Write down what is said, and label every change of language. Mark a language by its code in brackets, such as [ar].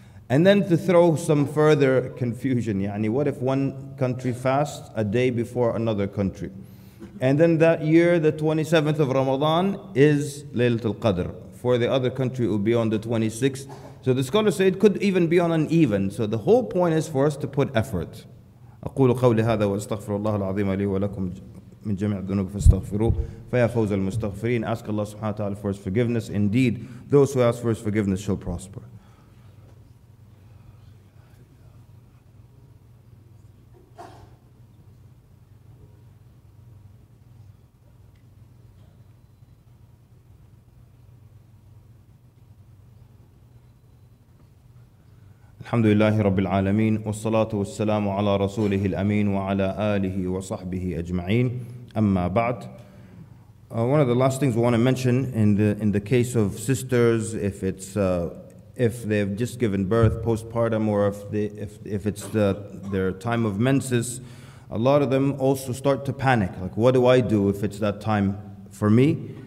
[en] And then to throw some further confusion, يعني, what if one country fasts a day before another country? And then that year, the 27th of Ramadan is Laylatul Qadr. For the other country, it will be on the 26th. So the scholars say it could even be on an even. So the whole point is for us to put effort. [ar] أقول قولي هذا وأستغفر الله العظيم لي ولكم من جميع الذنوب فاستغفروه فيا فوز المستغفرين. [en] Ask Allah subhanahu wa ta'ala for his forgiveness. Indeed, those who ask for his forgiveness shall prosper. [ar] الحمد لله رب العالمين والصلاة والسلام على رسوله الأمين وعلى آله وصحبه أجمعين أما بعد. [en] One of the last things we want to mention in the case of sisters, if they've just given birth postpartum, or if it's their time of menses, a lot of them also start to panic, like, what do I do if it's that time for me?